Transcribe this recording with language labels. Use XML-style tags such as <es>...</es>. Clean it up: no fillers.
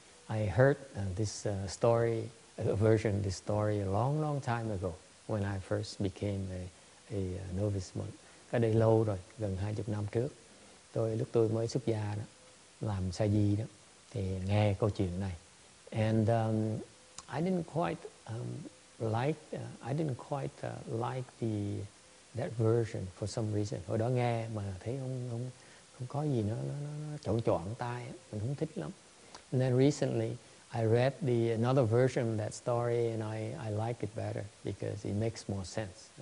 <en>I heard this story, a version of this story a long time ago when I first became a novice monk.</en> <vi>Cái đây lâu rồi, gần 20 năm trước, lúc tôi mới xuất gia đó, làm sa di đó, thì nghe câu chuyện này.</vi> <en>And I didn't quite like that version for some reason.</en> <vi>Hồi đó nghe mà thấy không có gì nó chọn chọn tai, mình không thích lắm.</vi> <en>And then recently I read another version of that story and I like it better because it makes more sense.</en>